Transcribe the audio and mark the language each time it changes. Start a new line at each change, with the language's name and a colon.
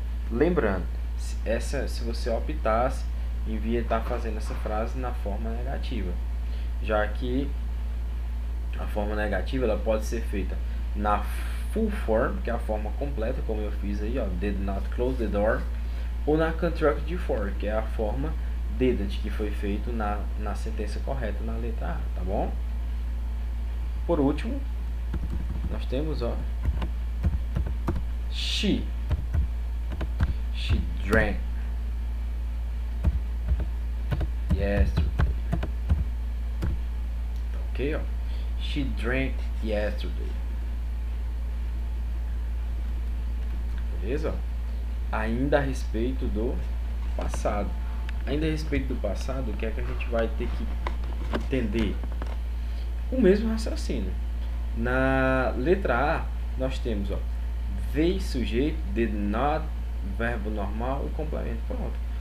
Portuguese: Lembrando, se você optasse em vir estar fazendo essa frase na forma negativa, já que a forma negativa ela pode ser feita na full form, que é a forma completa, como eu fiz aí, ó,
English: did not close the door,
Portuguese: ou na constructive for, que é a forma didn't, que foi feito na sentença correta, na letra A, tá bom? Por último, nós temos, ó,
English: she drank yesterday. Ok, ó, she drank yesterday.
Portuguese: Beleza? Ainda a respeito do passado. Ainda a respeito do passado, o que é que a gente vai ter que entender? O mesmo raciocínio. Na letra A, nós temos, ó, they sujeito,
English: did not,
Portuguese: verbo normal, o complemento. Pronto.